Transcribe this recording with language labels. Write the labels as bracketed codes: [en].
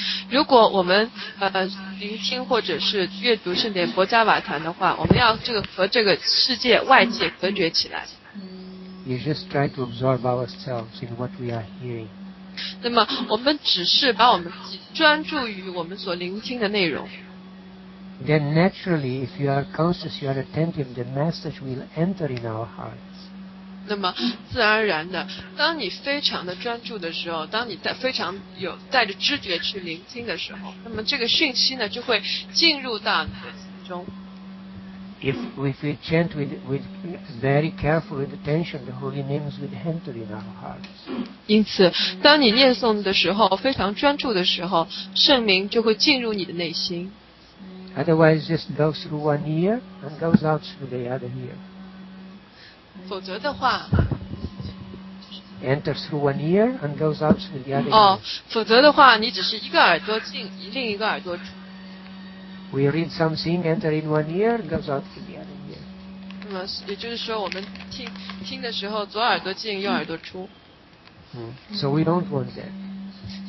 [zh] 如果我们聆听或者是阅读圣典博伽瓦坛的话，我们要和这个世界外界隔绝起来。 [en] You just try to absorb ourselves in what we are hearing. [zh] 那么我们只是把我们专注于我们所聆听的内容。 [en] Then naturally, if you are conscious, you are attentive, the message will enter in our hearts. [zh] 那么自然而然的，当你非常的专注的时候，当你非常有带着知觉去聆听的时候，那么这个讯息呢就会进入到你的心中。 [en] If we chant with very careful attention, the holy names will enter in our hearts. [zh] 因此，当你念诵的时候，非常专注的时候，圣名就会进入你的内心。 [en] Otherwise, just go through one ear and goes out through the other ear. [zh] 否则的话 [en] ，enters through one ear and goes out through the other ear. [zh] 否则的话，你只是一个耳朵进，另一个耳朵出。 [en] We read something, enter in one ear, goes out in the other ear. [zh] 那么也就是说，我们听的时候，左耳朵进，右耳朵出。 [en] So we don't want that.